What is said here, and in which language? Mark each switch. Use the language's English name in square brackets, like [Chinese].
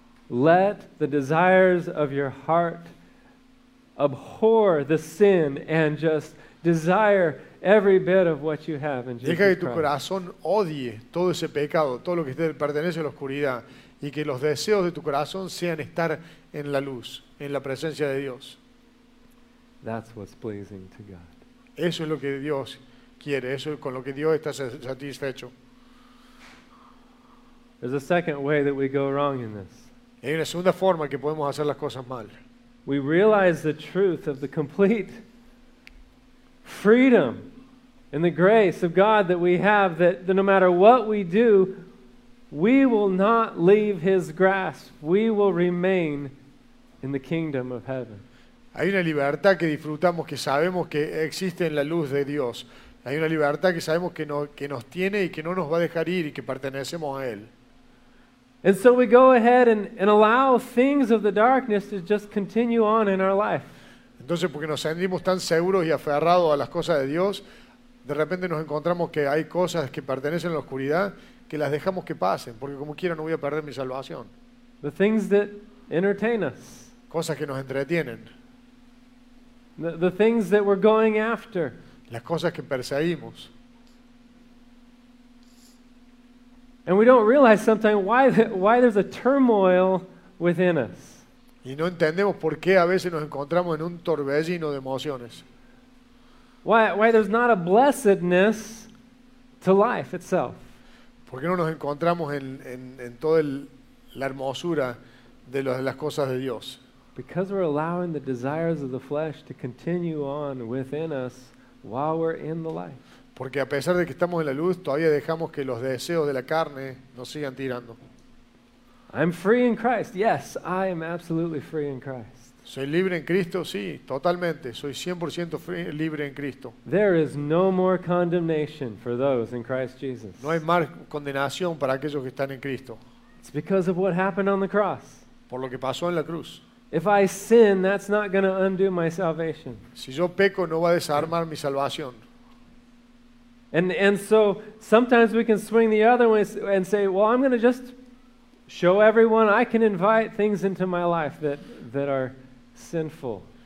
[English] Let the desires of your heart abhor the sin and just desire every bit of what you have in Jesus Christ. [Spanish] Deja que tu corazón odie todo ese pecado, todo lo que pertenece a la oscuridad, y que los deseos de tu corazón sean estar en la luz, en la presencia de Dios. [English] That's what's pleasing to God. [Spanish] Eso es lo que Dios quiere, eso es con lo que Dios está satisfecho. [English] There's a second way that we go wrong in this. [Spanish] Hay una segunda forma que podemos hacer las cosas mal. [English] We realize the truth of the complete freedom in the grace of God that we have, that, that no matter what we do, we will not leave His grasp. We will remain in the kingdom of heaven. [Spanish] Hay una libertad que disfrutamos, que sabemos que existe en la luz de Dios. Hay una libertad que sabemos que, no, que nos tiene y que no nos va a dejar ir y que pertenecemos a Él. [English] And so we go ahead and allow things of the darkness to just continue on in our life. [Spanish] Entonces, porque nos sentimos tan seguros y aferrados a las cosas de Dios, de repente nos encontramos que hay cosas que pertenecen a la oscuridad que las dejamos que pasen, porque como quiera no voy a perder mi salvación. [English] The things that entertain us. [Spanish] Cosas que nos entretienen. [English] The things that we're going after. [Spanish] Las cosas que perseguimos. [English] And we don't realize sometimes why there's a turmoil within us. [Spanish] Y no entendemos por qué a veces nos encontramos en un torbellino de emociones. [English] Why there's not a blessedness to life itself. [Spanish] ¿Por qué no nos encontramos en toda la hermosura de las cosas de Dios? [English] Because we're allowing the desires of the flesh to continue on within us while we're in the life. [Spanish] Porque a pesar de que estamos en la luz, todavía dejamos que los deseos de la carne nos sigan tirando. [English] I'm free in Christ. Yes, I am absolutely free in Christ. [Spanish] Soy libre en Cristo, sí, totalmente. Soy 100% free, libre en Cristo. [English] There is no more condemnation for those in Christ Jesus. [Spanish] No hay más condenación para aquellos que están en Cristo. [English] It's because of what happened on the cross. [Spanish] Por lo que pasó en la cruz. [English] If I sin, that's not going to undo my salvation. [Spanish] Si yo peco, no va a desarmar mi salvación. [English] And so sometimes we can swing the other way and say, well, I'm going to just show everyone I can invite things into my life that are sinful.